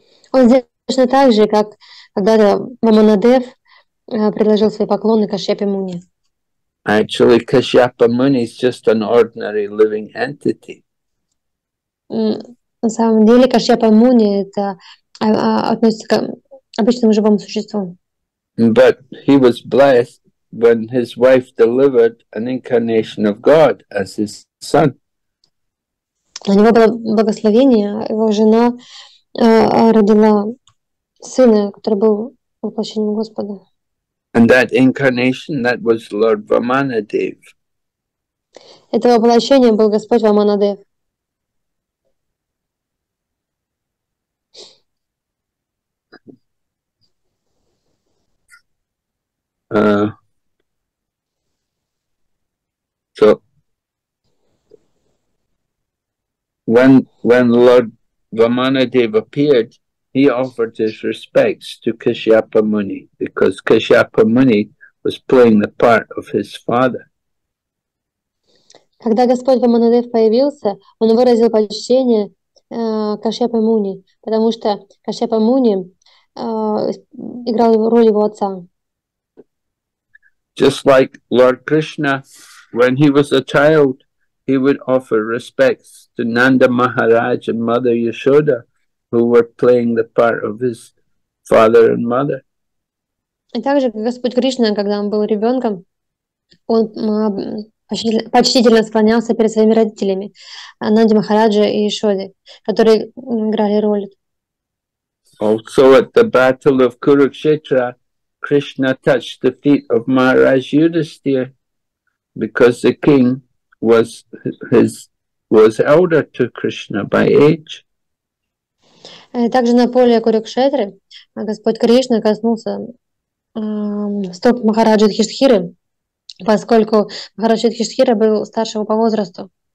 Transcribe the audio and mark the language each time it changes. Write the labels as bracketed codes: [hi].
[ru] Он сделал точно так же, как когда Ваманадев предложил свои поклоны Кашьяпе Муни. [en] Actually, Kashyapa Muni is just an ordinary living entity. [ru] На самом деле, Кашьяпа Муни это относится к обычному живому существу. [en] But he was blessed when his wife delivered an incarnation of God as his son. [ru] У него было благословение, его жена родила сына, который был воплощением Господа. [en] And that incarnation, that was Lord Vamanadev. [ru] Это воплощение был Господь Ваманадев. [en] So, when Lord Vamanadeva appeared, he offered his respects to Kashyapa Muni because Kashyapa Muni was playing the part of his father. [ru] Когда Господь Ваманадев появился, он выразил почтение Кашьяпе Муни, потому что Кашьяпа Муни играл роль его отца. [en] Just like Lord Krishna, when he was a child, he would offer respects to Nanda Maharaj and Mother Yashoda, who were playing the part of his father and mother. [ru] И также Господь Кришна, когда он был ребенком, он почтительно склонялся перед своими родителями, Нанди Махараджа и Ишоди, которые играли роль. [en] Also at the battle of Kurukshetra, Krishna touched the feet of Maharaj Yudhisthira, because the king was was elder to Krishna by age. [ru] Также на поле Курукшетры Господь Кришна коснулся стоп Махараджи Юдхиштхиры, поскольку Махараджи Юдхиштхира был старшего по возрасту.